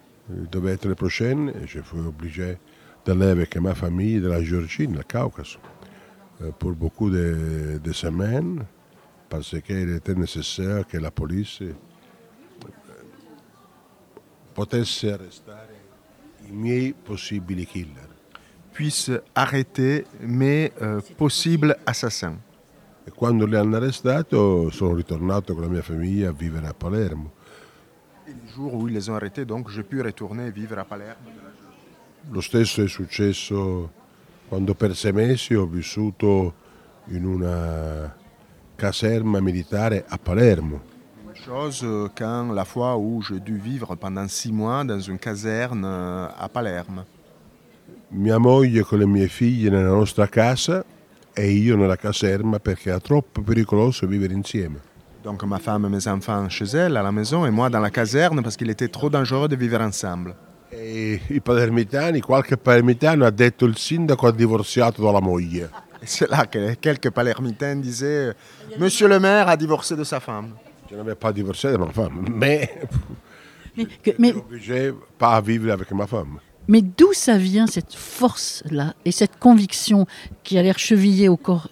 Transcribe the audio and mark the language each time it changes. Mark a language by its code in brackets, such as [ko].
[fr] Je devais être le prochain et je fui obligé d'aller avec ma famille de la Géorgie, du Caucase, pour beaucoup de semaines, parce qu'il était nécessaire que la police potesse arrêter les meilleurs possibles killers. Puisse arrêter mes possibles assassins. Et quand ils l'ont arrêté, je suis retourné avec ma famille à vivre à Palerme. Et le jour où ils les ont arrêtés, donc j'ai pu retourner vivre à Palerme. [it] Lo stesso è successo quando per sei mesi ho vissuto in una caserma militare a Palermo. [fr] La même chose quand la fois où j'ai dû vivre pendant six mois dans une caserne à Palerme. [it] Mia moglie con le mie figlie nella nostra casa e io nella caserma perché era troppo pericoloso vivere insieme. [fr] Donc ma femme et mes enfants chez elle à la maison et moi dans la caserne parce qu'il était trop dangereux de vivre ensemble. [it] E i palermitani, qualche palermitano ha detto il sindaco ha divorziato dalla moglie. [fr] C'est là que quelques palermitains disaient Monsieur le maire a divorcé de sa femme. Je n'avais pas divorcé de ma femme, mais j'étais obligé pas à vivre avec ma femme. Mais d'où ça vient cette force-là et cette conviction qui a l'air chevillée au corps?